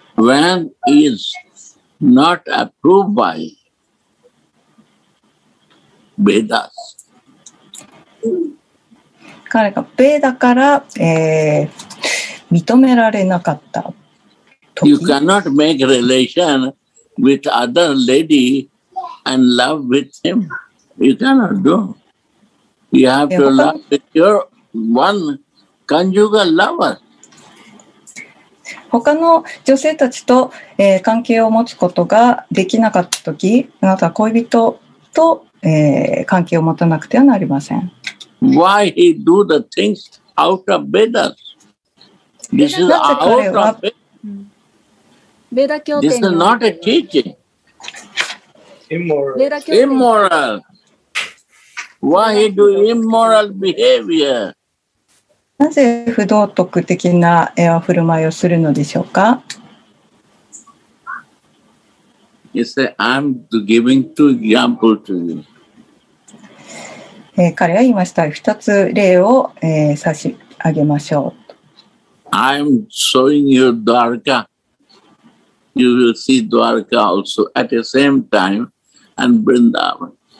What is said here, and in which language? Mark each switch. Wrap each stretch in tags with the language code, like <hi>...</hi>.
<en>When is not approved by Vedas.</en> <ja>彼がベーダから、認められなかった時。</ja> <en>You cannot make relation. With other lady and love with him, you cannot do. You have to love with your one conjugal lover.</en> <ja>他の女性たちと、関係を持つことができなかったとき、あなたは恋人と、関係を持たなくてはなりません。</ja> <en>Why he do the things out of Vedas? This is out of Vedas.</en> <ja>ベーダ教典。</ja> <en>This is not a teaching. Immoral.</en> <ja>ベーダ教典。</ja> <en>Immoral. Why he do immoral behavior?</en> <ja>なぜ不道徳的な振る舞いをするのでしょうか。</ja> <en>He said, "I'm giving two examples to you."</en> <ja>彼は言いました。二つ例を、差し上げましょう。</ja> <en>I'm showing you Dwarka. You will see Dwarka also at the same time and Vrindavan.</en>